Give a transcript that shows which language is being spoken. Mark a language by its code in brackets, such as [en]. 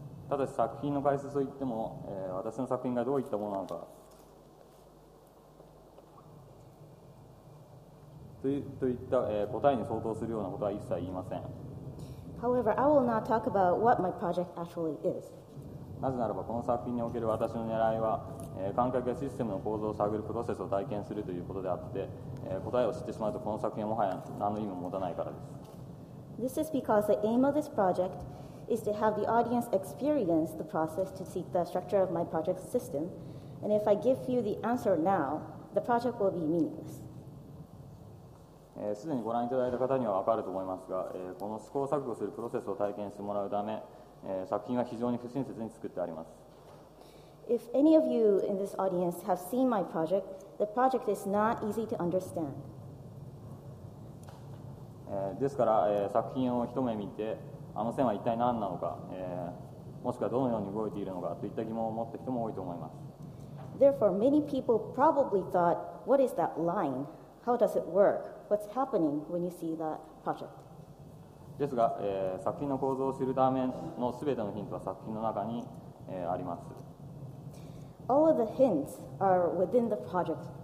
[en] However, I will not talk about what my project actually is. [ja] なぜならばこの作品における私の狙いは、観客やシステムの構造を探るプロセスを体験するということであって、答えを知ってしまうとこの作品はもはや何の意味も持たないからです。 [en] This is because the aim of this project is to have the audience experience the process to see the structure of my project's system, and if I give you the answer now, the project will be meaningless. [ja] すでにご覧いただいた方には分かると思いますが、この試行錯誤するプロセスを体験してもらうため、作品は非常に不親切に作ってあります。 [en] If any of you in this audience have seen my project, the project is not easy to understand. [ja] ですから、作品を一目見て、あの線は一体何なのか、もしくはどのように動いているのかといった疑問を持った人も多いと思います。 [en] Therefore, many people probably thought, what is that line? How does it work? What's happening when you see that project? [ja] ですが、作品の構造を知るためのすべてのヒントは作品の中に、あります。 [en] All of the hints are within the project.